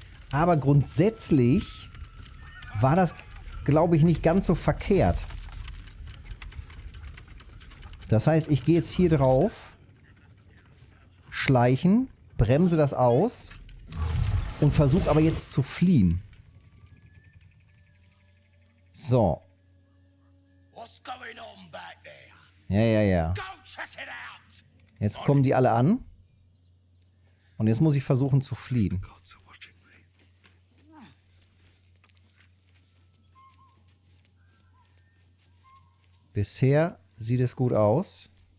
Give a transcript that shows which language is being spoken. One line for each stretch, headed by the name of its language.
German: Aber grundsätzlich war das, glaube ich, nicht ganz so verkehrt. Das heißt, ich gehe jetzt hier drauf, schleichen, bremse das aus und versuche aber jetzt zu fliehen. So.
English: What's going on back there?
German: Ja.
English: Go check it out.
German: Jetzt kommen die alle an. Und jetzt muss ich versuchen zu fliehen. Bisher sieht es gut aus.